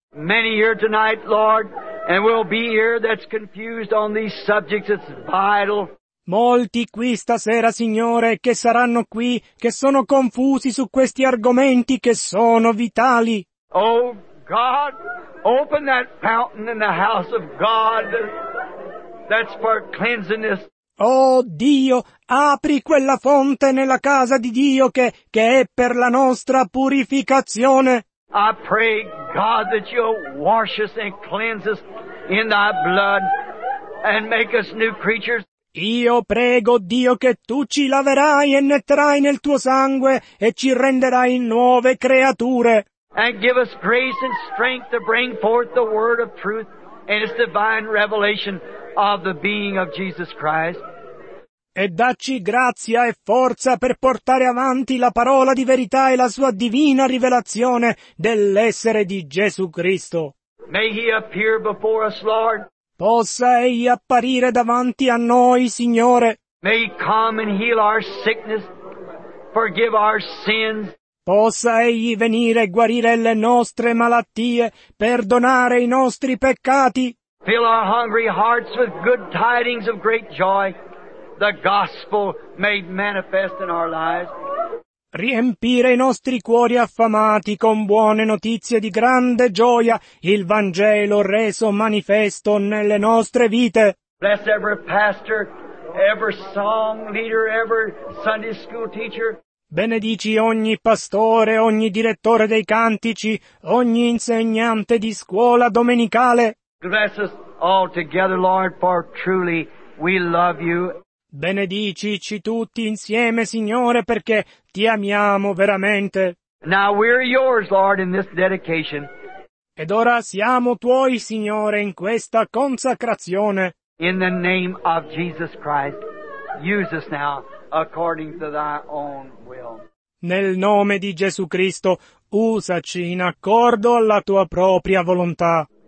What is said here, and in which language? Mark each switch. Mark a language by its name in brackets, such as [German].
[English] Many here tonight, Lord, and will be here that's confused on these subjects. It's vital. [Italian] Molti qui stasera, Signore, che saranno qui, che sono confusi su questi argomenti che sono vitali. [English] Oh God, open that fountain in the house of God that's for cleansing us. [Italian] Oh Dio, apri quella fonte nella casa di Dio che è per la nostra purificazione. [English] I pray, God, that you'll wash us and cleanse us in thy blood and make us new creatures. [Italian] Io prego, Dio, che tu ci laverai e netterai nel tuo sangue e ci renderai nuove creature. [English] And give us grace and strength to bring forth the word of truth and its divine revelation of the being of Jesus Christ. [Italian] E dacci grazia e forza per portare avanti la parola di verità e la sua divina rivelazione dell'essere di Gesù Cristo. [English] May he appear before us, Lord. [Italian] Possa egli apparire davanti a noi, Signore. [English] May he come and heal our sickness, forgive our sins. [Italian] Possa egli venire e guarire le nostre malattie, perdonare i nostri peccati. [English] Fill our hungry hearts with good tidings of great joy, the gospel made manifest in our lives. [Italian] Riempire i nostri cuori affamati con buone notizie di grande gioia, il Vangelo reso manifesto nelle nostre vite. [English] Bless every pastor, every song leader, every Sunday school teacher. [Italian] Benedici ogni pastore, ogni direttore dei cantici, ogni insegnante di scuola domenicale. [English] Bless us all together, Lord, for truly we love you. [Italian] Benedicici tutti insieme, Signore, perché ti amiamo veramente. [English] Now we're yours, Lord, in this dedication. [Italian] Ed ora siamo tuoi, Signore, in questa consacrazione. [English] In the name of Jesus Christ, use us now according to thy own will. [Italian] Nel nome di Gesù Cristo, usaci in accordo alla tua propria volontà.